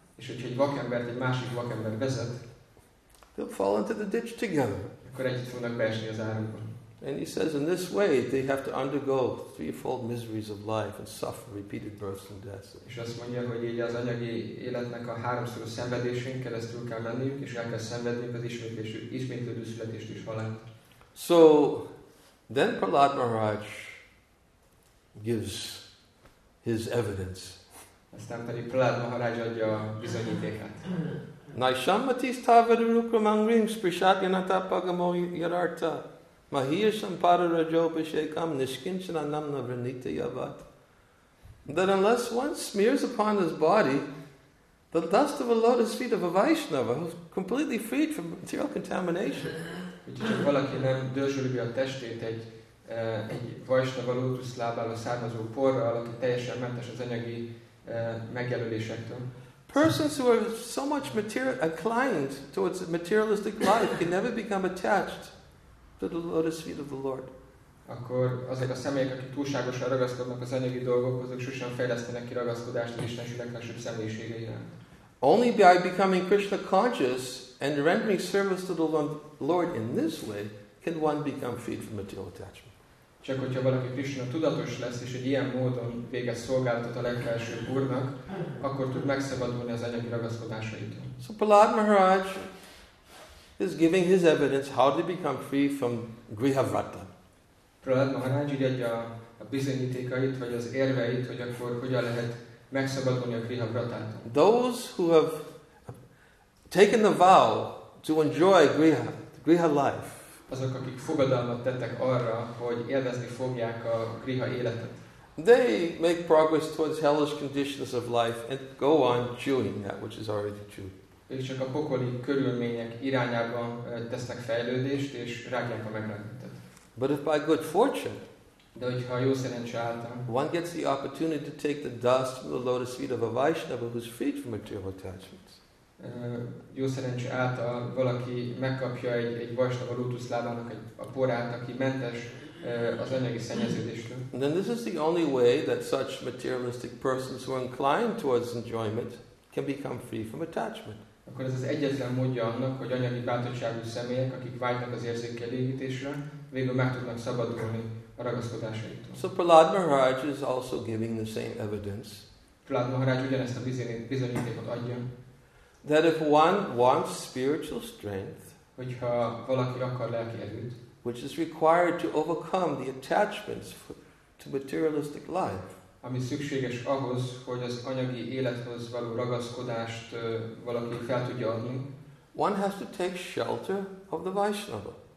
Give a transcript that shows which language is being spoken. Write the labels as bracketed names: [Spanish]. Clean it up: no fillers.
[Hungarian] És hogyha egy vakembert egy másik vakember vezet, [English] they'll fall into the ditch together. [Hungarian] Akkor együtt fognak beesni az árokba. [English] And he says, in this way, they have to undergo threefold miseries of life and suffer repeated births and deaths. [Hungarian] És azt mondja, hogy így az anyagi életnek a háromszoros szenvedésén keresztül kell menniük, és el kell szenvedniük az ismétlődő születést és halált. [English] So, then Prahlad Maharaj gives his evidence. [Hungarian] Aztán pedig Prahlad Maharaj adja a bizonyítékát. [Sanskrit] Naishamatis tavadurukram angrim sprishatyanatapagamo yadartha. Mahiya sampara rajopashekam nishkinchana namna vrnita yavat. [English] That unless one smears upon his body the dust of a lotus feet of a Vaishnava who's completely freed from material contamination. [Hungarian] Ha valaki nem dörzsölügi a testét egy Vaishnava lotus lábára származó porral, aki teljesen mentes az anyagi megjelölésektől. [English] Persons who are so much material inclined towards materialistic life can never become attached to the lotus feet of the Lord. [Hungarian] Akkor azok a személyek, akik túlságosan ragaszkodnak az anyagi dolgokhoz, azok sosem fejlesztenek ki ragaszkodást az Isten süleglásúbb személyiségeire. [English] Only by becoming Krishna conscious and rendering service to the Lord in this way can one become freed from material attachment. [Hungarian] Csak hogyha valaki Krishna tudatos lesz, és egy ilyen módon végez szolgálatot a legfelsőbb úrnak, akkor tud megszabadulni az anyagi ragaszkodásaitól. [English] So Prahlad Maharaj is giving his evidence how to become free from grihavrata. [Hungarian] Prahlad Maharaj így adja a bizonyítékait, vagy az érveit, hogy akkor hogyan lehet megszabadulni a grihavratától. [English] Those who have taken the vow to enjoy griha life, [Hungarian] azok, akik fogadalmat tettek arra, hogy élvezni fogják a griha életet. [English] They make progress towards hellish conditions of life and go on chewing that which is already chewed. [Hungarian] Ők csak a pokoli körülmények irányában tesznek fejlődést és rágják a megrágítottat. [English] But if by good fortune, [Hungarian] de hogyha jó szerencse által, [English] one gets the opportunity to take the dust from the lotus feet of a Vaishnava who's freed from material attachments. [Hungarian] Jó szerencse által valaki megkapja egy Vaishnava lótusz lábának a porát, aki mentes az anyagi szennyeződéstől. [English] Then this is the only way that such materialistic persons who are inclined towards enjoyment can become free from attachment. [Hungarian] Akkor ez az egyetlen módja annak, hogy anyagi bátorságú személyek, akik vágynak az érzékelégítésre, végül meg tudnak szabadulni a ragaszkodásaitól. [English] So Prahlad Maharaj is also giving the same evidence. [Hungarian] Prahlad Maharaj ugyanezt a bizonyítékot adja. [English] That if one wants spiritual strength, [Hungarian] hogyha valaki akar lelki erőt, [English] which is required to overcome the attachments to materialistic life, [Hungarian] ami szükséges ahhoz, hogy az anyagi élethez való ragaszkodást valaki fel tudja adni, [English] one has to take shelter of the Vaishnava.